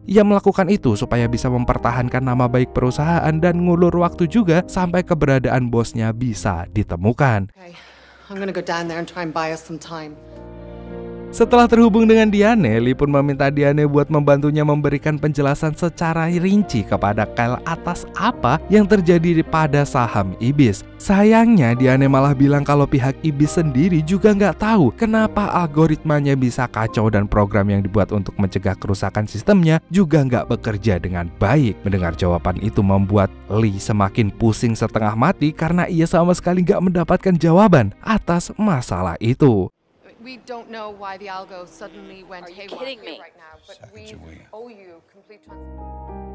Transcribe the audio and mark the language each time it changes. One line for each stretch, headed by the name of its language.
Indonesian: Ia melakukan itu supaya bisa mempertahankan nama baik perusahaan dan ngulur waktu juga sampai keberadaan bosnya bisa ditemukan.
English: Okay. I'm gonna go down there and try and buy us some time.
Indonesian: Setelah terhubung dengan Diane, Lee pun meminta Diane buat membantunya memberikan penjelasan secara rinci kepada Kyle atas apa yang terjadi pada saham Ibis. Sayangnya, Diane malah bilang kalau pihak Ibis sendiri juga nggak tahu kenapa algoritmanya bisa kacau dan program yang dibuat untuk mencegah kerusakan sistemnya juga nggak bekerja dengan baik. Mendengar jawaban itu membuat Lee semakin pusing setengah mati karena ia sama sekali nggak mendapatkan jawaban atas masalah itu.
English: We don't know why the algo suddenly went haywire right now, but we owe you complete transparency.